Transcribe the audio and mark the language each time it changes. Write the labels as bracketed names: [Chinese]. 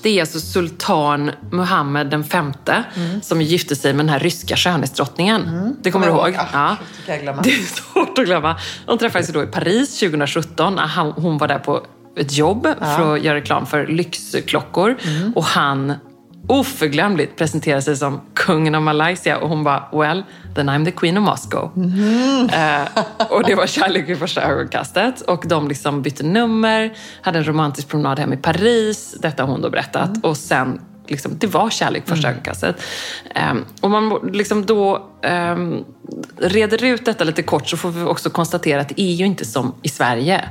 [Swedish] Det är alltså Sultan Mohammed den femte som gifte sig med den här ryska skönhetsdrottningen. Mm. Det kommer du ihåg? Ja, jag glömma. Det är svårt att glömma. Hon träffades då i Paris 2017. Hon var där på ett jobb för att göra reklam för lyxklockor. Mm. Och han, oförglömligt, presenterade sig som kungen av Malaysia. Och hon bara, [English] well, then I'm the queen of Moscow. [Swedish] Och det var kärlek i första ögonkastet. Och de liksom bytte nummer, hade en romantisk promenad hem i Paris. Detta har hon då berättat. Mm. Och sen, liksom, det var kärlek i första ögonkastet. Och man liksom då reder ut detta lite kort, så får vi också konstatera att det är ju inte som i Sverige.